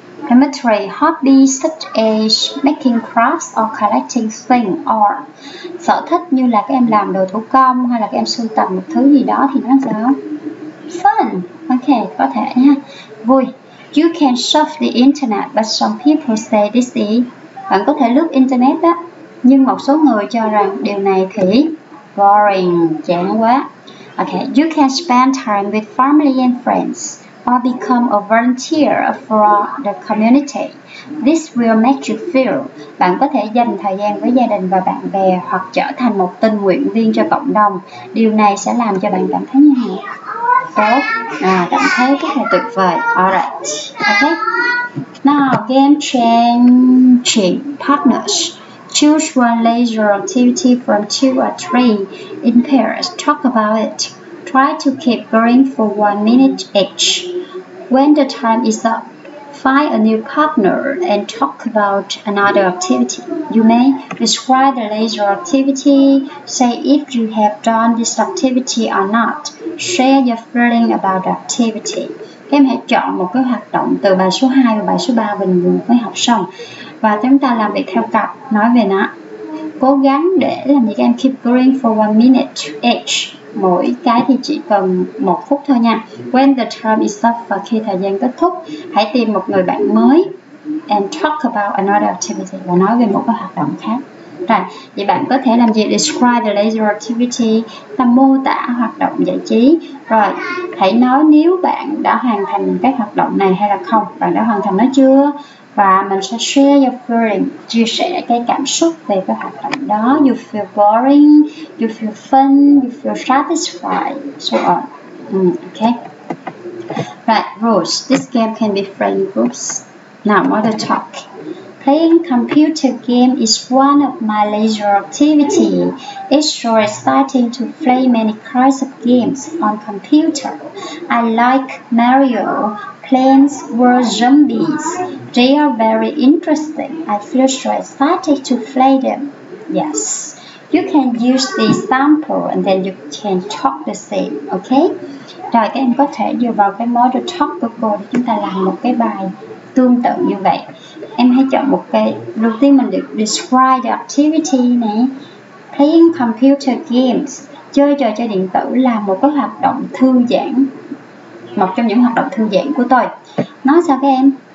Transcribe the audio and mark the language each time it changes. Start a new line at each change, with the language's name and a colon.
English: Number three, hobbies such as making crafts or collecting things, or
Vietnamese: sở thích như là các em làm đồ thủ công hay là các em sưu tầm một thứ gì đó thì nó sẽ fun. Ok, có thể nha, vui.
English: You can surf the internet, but some people say this is,
Vietnamese: bạn có thể lướt internet đó, nhưng một số người cho rằng điều này thì boring, chán quá.
English: Okay, you can spend time with family and friends or become a volunteer for the community. This will make you feel.
Vietnamese: Bạn có thể dành thời gian với gia đình và bạn bè hoặc trở thành một tình nguyện viên cho cộng đồng. Điều này sẽ làm cho bạn cảm thấy như thế nào? Tốt, cảm thấy rất là tuyệt vời.
English: Alright, okay. Now, game changing partners. Choose one leisure activity from two or three in pairs. Talk about it. Try to keep going for 1 minute each. When the time is up, find a new partner and talk about another activity. You may describe the leisure activity, say if you have done this activity or not, share your feeling about the activity.
Vietnamese: Em hãy chọn một cái hoạt động từ bài số 2 và bài số 3 mình vừa mới học xong. Và chúng ta làm việc theo cặp, nói về nó. Cố gắng để làm việc em
English: keep going for 1 minute each.
Vietnamese: Mỗi cái thì chỉ cần 1 phút thôi nha.
English: When the time is up,
Vietnamese: và khi thời gian kết thúc, hãy tìm một người bạn mới
English: and talk about another activity,
Vietnamese: và nói về một cái hoạt động khác. Rồi, vậy bạn có thể làm gì?
English: Describe the leisure activity,
Vietnamese: ta mô tả hoạt động giải trí. Rồi, hãy nói nếu bạn đã hoàn thành cái hoạt động này hay là không, bạn đã hoàn thành nó chưa. Và mình sẽ
English: share your feeling,
Vietnamese: chia sẻ cái cảm xúc về cái hoạt động đó.
English: You feel boring, you feel fun, you feel satisfied, so on. Okay. Right, rules. This game can be friend groups. Now, more to talk. Playing computer game is one of my leisure activities. It's so exciting to play many kinds of games on computer. I like Mario, Plants vs. Zombies. They are very interesting. I feel so excited to play them. Yes. You can use the example and then you can talk the same, okay?
Vietnamese: Rồi, các em có thể dựa vào cái model talk của cô để chúng ta làm một cái bài tương tự như vậy. Em hãy chọn một cái, đầu tiên mình được
English: describe the activity
Vietnamese: này.
English: Playing computer games,
Vietnamese: chơi trò chơi điện tử là một cái hoạt động thư giãn, một trong những hoạt động thư giãn của tôi. Nói sao các em?